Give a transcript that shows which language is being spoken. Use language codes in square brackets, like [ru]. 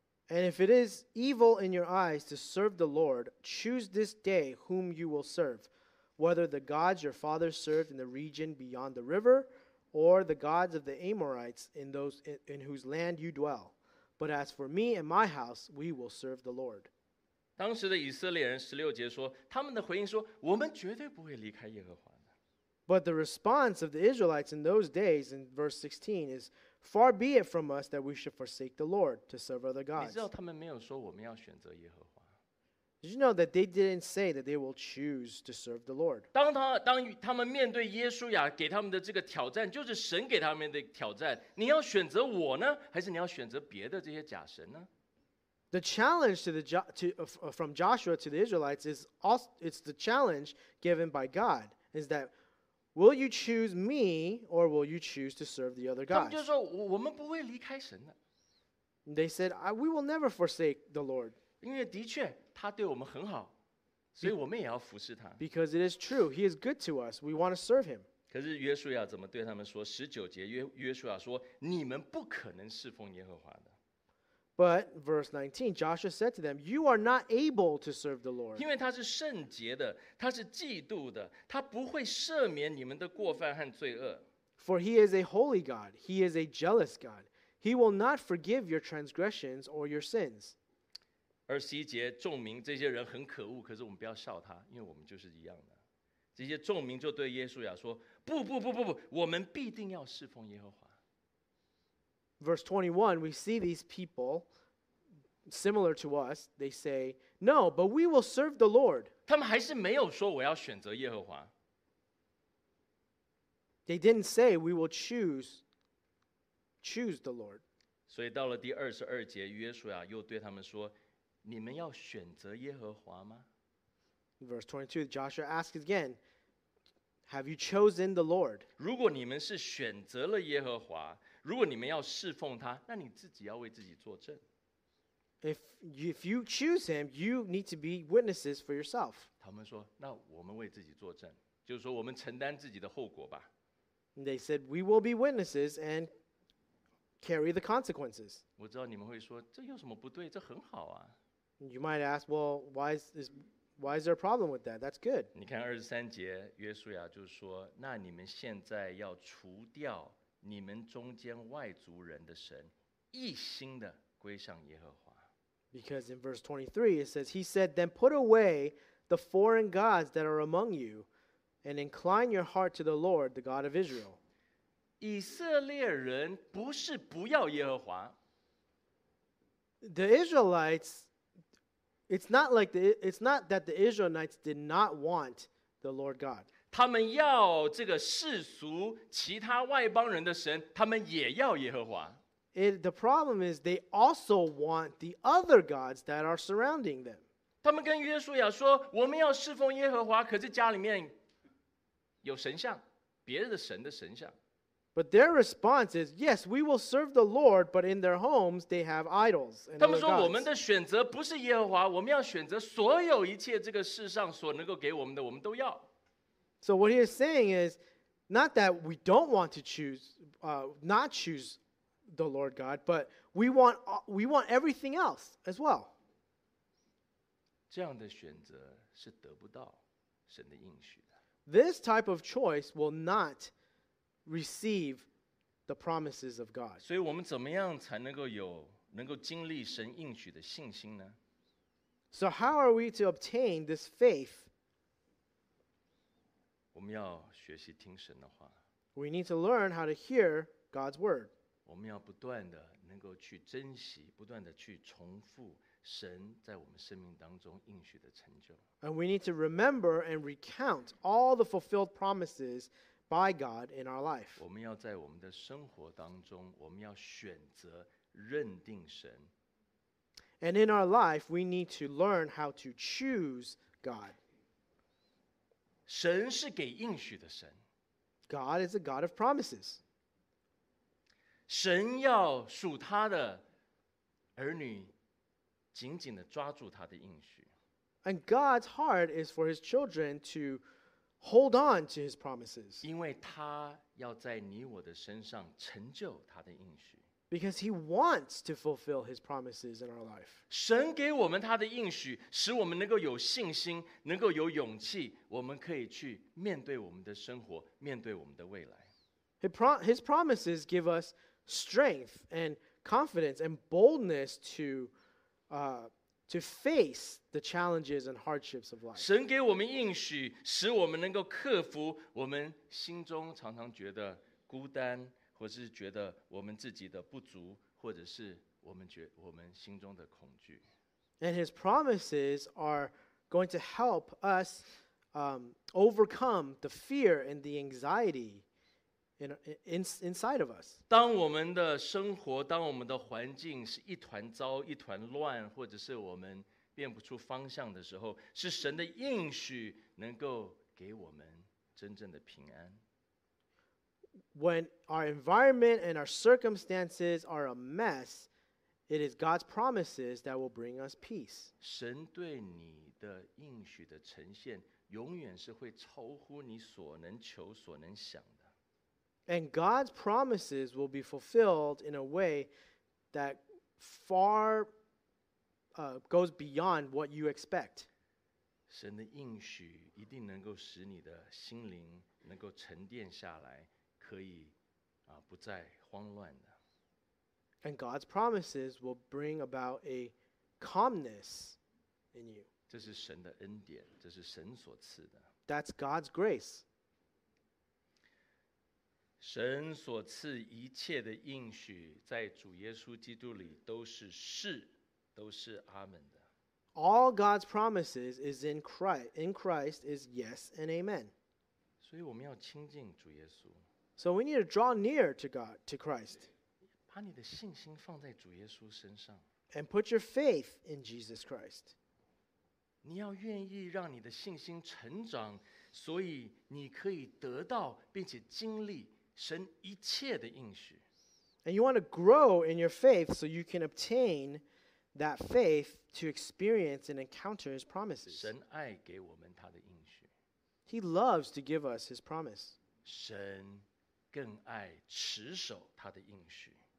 [en] And if it is evil in your eyes to serve the Lord, choose this day whom you will serve, whether the gods your fathers served in the region beyond the river, or the gods of the Amorites in whose land you dwell. But as for me and my house, we will serve the Lord. [zh] 当时的以色列人十六节说，他们的回应说，我们绝对不会离开耶和华的。 [en] But the response of the Israelites in those days in verse 16 is, far be it from us that we should forsake the Lord to serve other gods. [zh] 你知道他们没有说我们要选择耶和华。 [en] Did you know that they didn't say that they will choose to serve the Lord? [zh] 当他们面对耶稣亚给他们的这个挑战，就是神给他们的挑战，你要选择我呢，还是你要选择别的这些假神呢？ [en] The challenge from Joshua to the Israelites is also, it's the challenge given by God, is that will you choose me or will you choose to serve the other gods? [zh] 他们就说，我们不会离开神的。 [en] They said, we will never forsake the Lord. [zh] 因为的确，他对我们很好，所以我们也要服侍他。 [en] Because it is true, he is good to us, we want to serve him. [zh] 可是约书亚怎么对他们说？十九节，约书亚说，你们不可能侍奉耶和华的。 [en] But verse 19, Joshua said to them, you are not able to serve the Lord. [zh] 因为他是圣洁的，他是基督的，他不会赦免你们的过犯和罪恶。 [en] For he is a holy God, he is a jealous God. He will not forgive your transgressions or your sins. [zh] 二十一节，众民这些人很可恶，可是我们不要笑他，因为我们就是一样的。这些众民就对耶稣亚说，不不不不不，我们必定要侍奉耶和华。 [en] Verse 21, we see these people, similar to us, they say, no, but we will serve the Lord. [zh] 他们还是没有说我要选择耶和华。 [en] They didn't say we will choose the Lord. [zh] 所以到了第二十二节，约书亚又对他们说，你们要选择耶和华吗？ [en] Verse 22, Joshua asked again, have you chosen the Lord? [zh] 如果你们是选择了耶和华，如果你们要侍奉他，那你自己要为自己作证。 [en] If you choose him, you need to be witnesses for yourself. [zh] 他们说，那我们为自己作证，就是说我们承担自己的后果吧。 [en] They said, we will be witnesses and carry the consequences. [zh] 我知道你们会说，这有什么不对，这很好啊。 [en] You might ask, well, why is there a problem with that? That's good. [zh] 你看23节，约书亚就说，那你们现在要除掉你们中间外族人的神，一心的归向耶和华。 [en] Because in verse 23, it says, He said, then put away the foreign gods that are among you and incline your heart to the Lord, the God of Israel. [zh] 以色列人不是不要耶和华。 [en] The Israelites, it's not that the Israelites did not want the Lord God. [zh] 他们要这个世俗其他外邦人的神，他们也要耶和华。 [en] The problem is they also want the other gods that are surrounding them. [zh] 他们跟约书亚说，我们要侍奉耶和华，可是家里面有神像，别的神的神像。 [en] But their response is, yes, we will serve the Lord, but in their homes they have idols. [zh] 他们说，我们的选择不是耶和华，我们要选择所有一切这个世上所能够给我们的，我们都要。 [en] So what he is saying is, not that we don't want to choose the Lord God, but we want everything else as well. [zh] 这样的选择是得不到神的应许的。 [en] This type of choice will not receive the promises of God. [zh] 所以我们怎么样才能够经历神应许的信心呢？ [en] So how are we to obtain this faith? [zh] 我们要学习听神的话。 [en] We need to learn how to hear God's word. [zh] 我们要不断的能够去珍惜，不断的去重复神在我们生命当中应许的成就。 [en] And we need to remember and recount all the fulfilled promises by God in our life. [zh] 我们要在我们的生活当中，我们要选择认定神。 [en] And in our life, we need to learn how to choose God. [zh] 神是给应许的神。 [en] God is a God of promises. [zh] 神要属他的儿女紧紧地抓住他的应许。 [en] And God's heart is for his children to hold on to his promises. [zh] 因为他要在你我的身上成就他的应许。 [en] Because he wants to fulfill his promises in our life. [zh] 神给我们他的应许，使我们能够有信心，能够有勇气，我们可以去面对我们的生活，面对我们的未来。 [en] His promises give us strength and confidence and boldness to face the challenges and hardships of life. [zh] 神给我们应许，使我们能够克服我们心中常常觉得孤单，或是觉得我们自己的不足，或者是我们心中的恐惧。 [en] And his promises are going to help us overcome the fear and the anxiety. Inside of us. [zh] 当我们的生活，当我们的环境是一团糟，一团乱，或者是我们辨不出方向的时候，是神的应许能够给我们真正的平安。 [en] When our environment and our circumstances are a mess, it is God's promises that will bring us peace. [zh] 神对你的应许的呈现，永远是会超乎你所能求、所能想的。 [en] And God's promises will be fulfilled in a way that far goes beyond what you expect. [zh] 神的应许一定能够使你的心灵能够沉淀下来，可以不再慌乱的。 [en] And God's promises will bring about a calmness in you. [zh] 这是神的恩典，这是神所赐的。 [en] That's God's grace. [zh] 神所赐一切的应许在主耶稣基督里都是是都是阿们的。 [en] All God's promises is in Christ. In Christ is yes and amen. [zh] 所以我们要亲近主耶稣。 [en] So we need to draw near to God, to Christ. [zh] 把你的信心放在主耶稣身上。 [en] And put your faith in Jesus Christ. [zh] 你要愿意让你的信心成长，所以你可以得到并且经历神一切的应许。 [en] And you want to grow in your faith so you can obtain that faith to experience and encounter his promises. [zh] 神爱给我们他的应许。 [en] He loves to give us his promise. [zh] 神更爱持守他的应许。